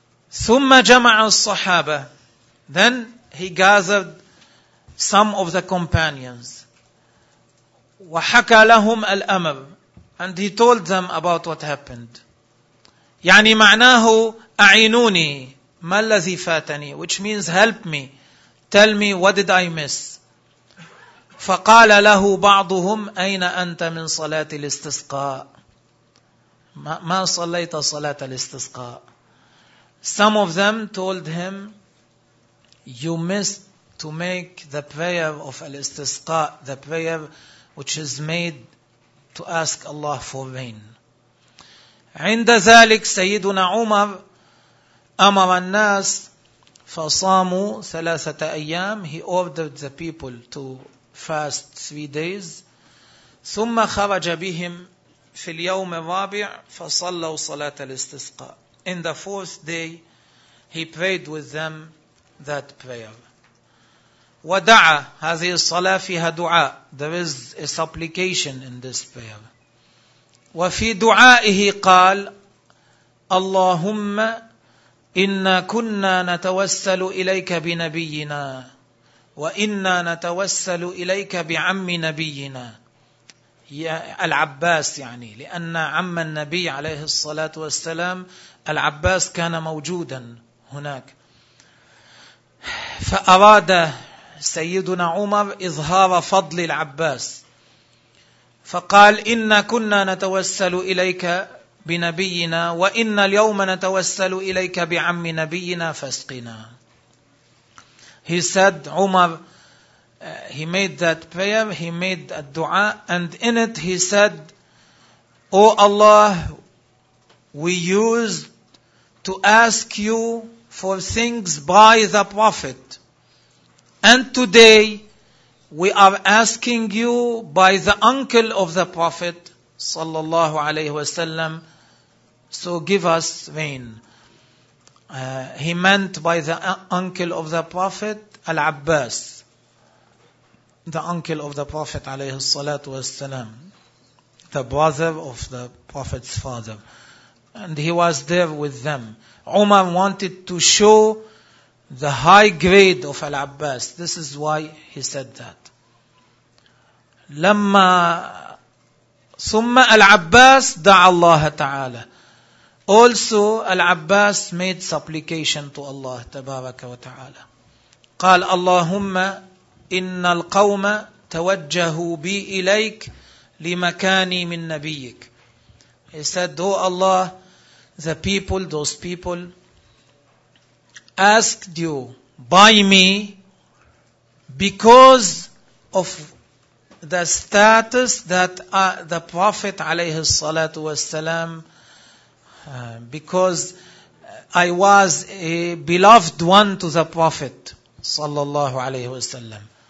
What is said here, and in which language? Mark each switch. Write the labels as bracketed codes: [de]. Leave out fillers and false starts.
[ar] Thumma jama'a al-sahaba. [en] Then he gathered some of the companions. [ar] Wa haka lahum al-amr. [en] And he told them about what happened. [ar] يعني معناه أعينوني ما الذي فاتني, [en] which means help me, tell me what did I miss. [ar] فقال له بعضهم أين أنت من صلاة الاستسقاء, ما صليت صلاة الاستسقاء. [en] Some of them told him you missed to make the prayer of الاستسقاء, the prayer which is made to ask Allah for rain. [ar] عند ذلك سيدنا عمر أمر الناس فصاموا ثلاثة أيام. [en] He ordered the people to fast 3 days. [ar] ثم خرج بهم في اليوم الرابع فصلوا صلاة الاستسقاء. [en] In the fourth day, he prayed with them that prayer. [ar] ودعا, هذه الصلاة فيها دعاء. [en] There is a supplication in this prayer. [ar] وفي دعائه قال اللهم إنا كنا نتوسل إليك بنبينا وإنا نتوسل إليك بعم نبينا, العباس يعني, لأن عم النبي عليه الصلاة والسلام العباس كان موجودا هناك. فأراد سيدنا عمر إظهار فضل العباس فقال إنا كنا نتوسل إليك بنبينا وإن اليوم نتوسل إليك بعم نبينا فاسقنا. [en] He said, Umar, he made that prayer, he made a dua, and in it he said, O Allah, we used to ask you for things by the Prophet, and today we are asking you by the uncle of the Prophet [ar] sallallahu alayhi wasallam, [en] so give us rain. he meant by the uncle of the Prophet, Al-Abbas, the uncle of the Prophet [ar] عليه الصلاة والسلام, [en] the brother of the Prophet's father. And he was there with them. Umar wanted to show the high grade of Al-Abbas. This is why he said that. [ar] لما ثم العباس دعا الله تعالى. [en] Also, Al-Abbas made supplication to Allah [ar] تبارك وتعالى. قال اللهم إن القوم توجهوا بي إليك لمكاني من نبيك. [en] He said, O Allah, the people, those people, asked you by me because of the status that the Prophet [ar] عليه الصلاة والسلام, [en] because I was a beloved one to the Prophet [ar] صلى الله عليه وسلم.